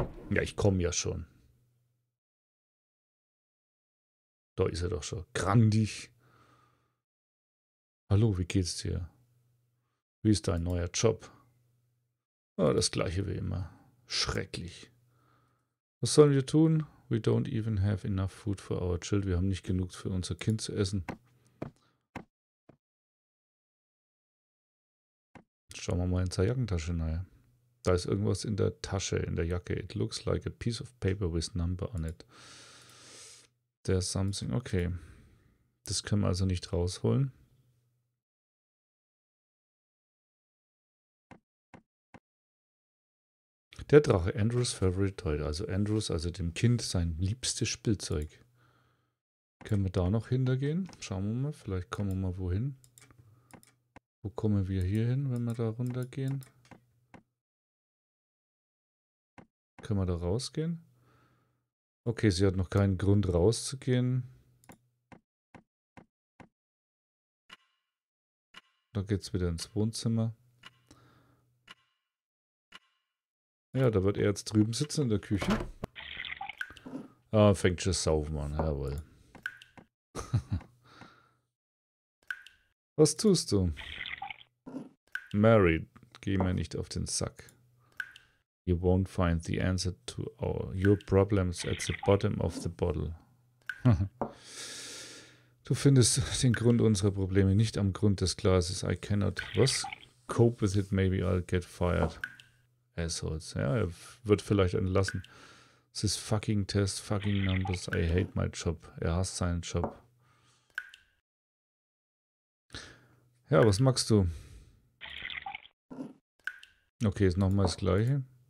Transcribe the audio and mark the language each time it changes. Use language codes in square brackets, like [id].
[de] Ja, ich komme ja schon. Da ist er doch schon. Grandig. Hallo, wie geht's dir? Wie ist dein neuer Job? Oh, das gleiche wie immer. Schrecklich. Was sollen wir tun? [en] We don't even have enough food for our child. [de] Wir haben nicht genug für unser Kind zu essen. Schauen wir mal in seine Jackentasche rein. Da ist irgendwas in der Tasche, in der Jacke. [en] It looks like a piece of paper with number on it. There's something. Okay. [de] Das können wir also nicht rausholen. Der Drache, Andrews [en] Favorite Toy. [de] Also Andrews, also dem Kind sein liebstes Spielzeug. Können wir da noch hintergehen? Schauen wir mal, vielleicht kommen wir mal wohin. Wo kommen wir hier hin, wenn wir da runtergehen? Können wir da rausgehen? Okay, sie hat noch keinen Grund rauszugehen. Da geht es wieder ins Wohnzimmer. Ja, da wird er jetzt drüben sitzen in der Küche. Ah, fängt schon saufen an, jawohl. Was tust du? Mary, geh mir nicht auf den Sack. [en] You won't find the answer to all your problems at the bottom of the bottle. [de] Du findest den Grund unserer Probleme nicht am Grund des Glases. [en] I cannot, [de] was? [en] Cope with it, maybe I'll get fired. Assholes. [de] Ja, er wird vielleicht entlassen. Es ist fucking Test, [en] fucking Numbers. I hate my job. [de] Er hasst seinen Job. Ja, was magst du? Okay, ist nochmal das Gleiche.